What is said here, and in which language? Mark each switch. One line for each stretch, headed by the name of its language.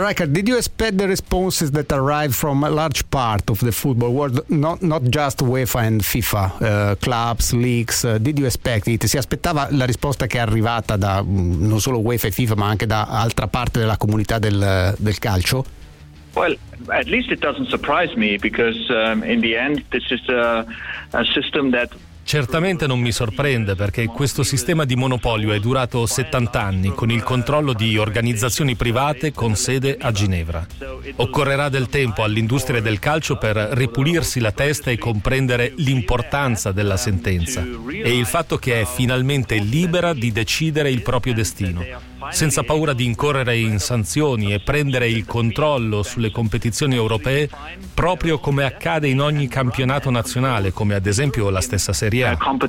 English: Reichard, did you expect the responses that arrived from a large part of the football world, not just UEFA and FIFA, clubs, leagues, did you expect it?
Italian: Si aspettava la risposta che è arrivata da non solo UEFA e FIFA, ma anche da altra parte della comunità del calcio?
English: Well, at least it doesn't surprise me because in the end this is a system that...
Italian: Certamente non mi sorprende perché questo sistema di monopolio è durato 70 anni con il controllo di organizzazioni private con sede a Ginevra. Occorrerà del tempo all'industria del calcio per ripulirsi la testa e comprendere l'importanza della sentenza e il fatto che è finalmente libera di decidere il proprio destino, senza paura di incorrere in sanzioni e prendere il controllo sulle competizioni europee, proprio come accade in ogni campionato nazionale, come ad esempio la stessa Serie A.